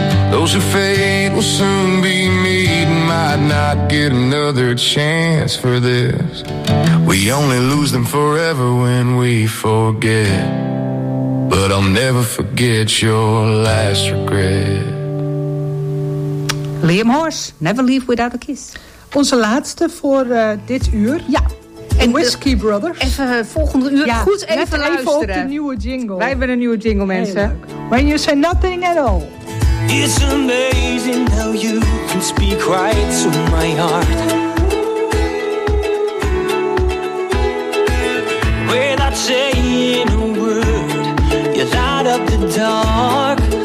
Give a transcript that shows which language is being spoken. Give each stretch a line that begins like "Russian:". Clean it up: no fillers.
English: Those who fade will soon be meeting. Might not get another chance for this. We only lose them forever when we forget. But I'll never forget your last regret. Liam Horse, Never Leave Without a Kiss.
Dutch: Onze laatste voor dit uur. Ja. En Whiskey Brothers. Even volgende uur. Ja, goed, even luisteren. Even op de nieuwe jingle. Wij hebben een nieuwe jingle, mensen.
English: When you say nothing at all. It's amazing how you can speak right to my heart. Without saying a word, you light up the dark.